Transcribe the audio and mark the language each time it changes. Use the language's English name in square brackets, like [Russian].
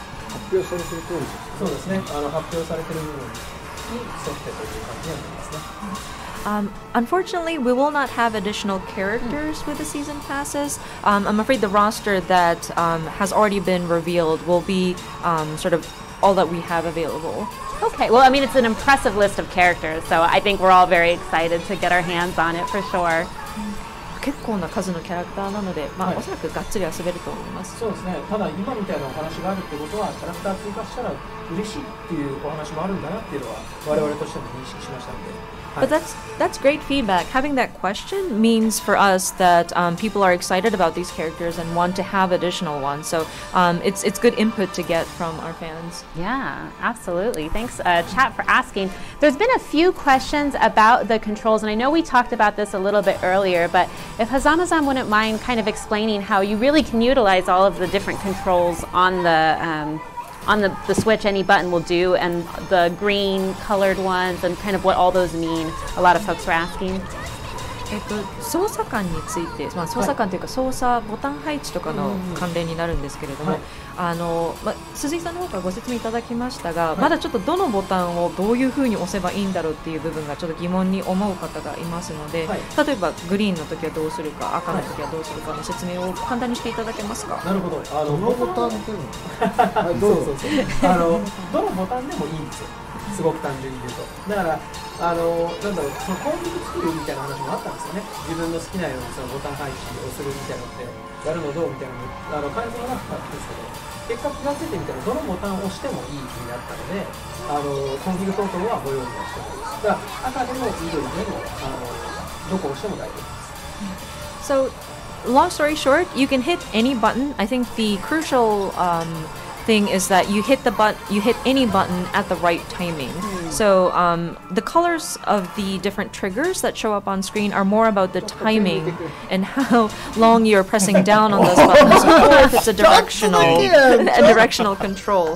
[Japanese] 発表されている通りです。そうですね。発表されている部分に沿ってという感じになりますね。 [English] Unfortunately, we will not have additional characters with the season passes. I'm afraid the roster that has already been revealed will be sort of all that we have available. Okay, well, I mean, it's an impressive list of characters, so I think we're all very excited to get our hands on it for sure. [Japanese] 結構な数のキャラクターなので、まあ、おそらくがっつり遊べると思います。そうですね。ただ今みたいなお話があるってことは、キャラクター追加したら嬉しいっていうお話もあるんだなっていうのは、我々としても認識しましたので。 [English] But that's great feedback. Having that question means for us that people are excited about these characters and want to have additional ones. So it's good input to get from our fans. Yeah, absolutely. Thanks, chat, for asking. There's been a few questions about the controls, and I know we talked about this a little bit earlier, but if Hazama-san wouldn't mind kind of explaining how you really can utilize all of the different controls on the... on the Switch, any button will do, and the green colored ones, and kind of what all those mean. A lot of folks were asking. [Japanese] 操作感について、まあ、操作感というか操作ボタン配置とかの関連になるんですけれども、はい、まあ、鈴井さんの方からご説明いただきましたが、はい、まだちょっとどのボタンをどういうふうに押せばいいんだろうっていう部分がちょっと疑問に思う方がいますので、はい、例えばグリーンの時はどうするか、赤の時はどうするかの説明を簡単にしていただけますか。なるほど。どのボタンでもどのボタンでもいいんですよ。すごく単純に言うと。だから、あの、なんだろう、そのコンビニ作りみたいな話もあったんですよね。自分の好きなようなそのボタン配置をするみたいなのって、やるのどうみたいなのあの解説がなかったんですけど、結果気がついてみたら、どのボタンを押してもいい気になったので、あの、コンビニコントロールはご用意をしております。だから、赤でも緑でも、あの、どこ押しても大丈夫です。 [English] So... Long story short, you can hit any button. I think the crucial thing is that you hit the you hit any button at the right timing. Mm. So the colors of the different triggers that show up on screen are more about the timing and how long you're pressing down on those buttons, or if it's a directional, a directional control.